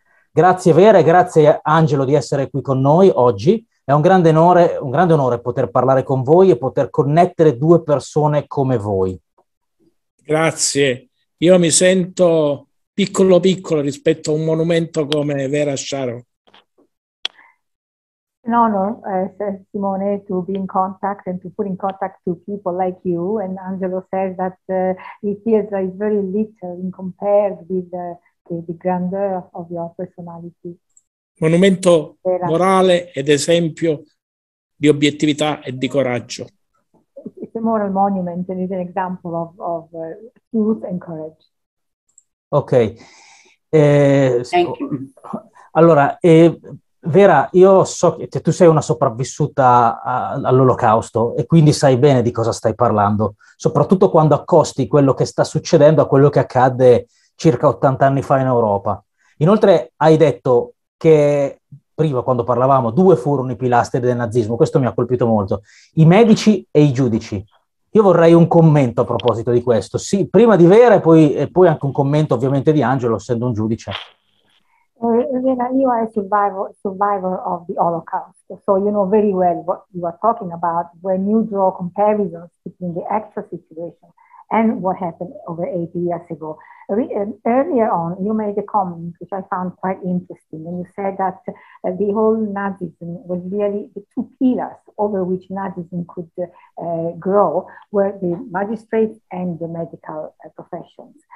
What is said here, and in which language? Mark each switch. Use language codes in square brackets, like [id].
[it] Grazie Vera e grazie Angelo di essere qui con noi oggi. È un grande onore poter parlare con voi e poter connettere due persone come voi. Grazie, io mi sento piccolo piccolo rispetto a un monumento come Vera Sharav. [en] No, Simone, to be in contact and to put in contact to people like you. And Angelo says that he feels that it's very little in compared with the grandeur of your personality. [it] Monumento Vera. morale ed esempio di obiettività e di coraggio. [en] It's a moral monument and it's an example of truth and courage. Ok, Thank you. [it] allora, Vera, io so che tu sei una sopravvissuta all'Olocausto e quindi sai bene di cosa stai parlando, soprattutto quando accosti quello che sta succedendo a quello che accadde circa 80 anni fa in Europa. Inoltre, hai detto che prima, quando parlavamo, due furono i pilastri del nazismo, questo mi ha colpito molto, i medici e i giudici. Io vorrei un commento a proposito di questo. Sì, prima di Vera e poi anche un commento ovviamente di Angelo, essendo un giudice. [en] Vera, you are a survivor of the Holocaust, so you know very well what you are talking about when you draw comparisons between the actual situation and what happened over 80 years ago. Earlier on, you made a comment which I found quite interesting, and you said that the whole Nazism was really the two pillars over which Nazism could grow were the magistrates and the medical professions.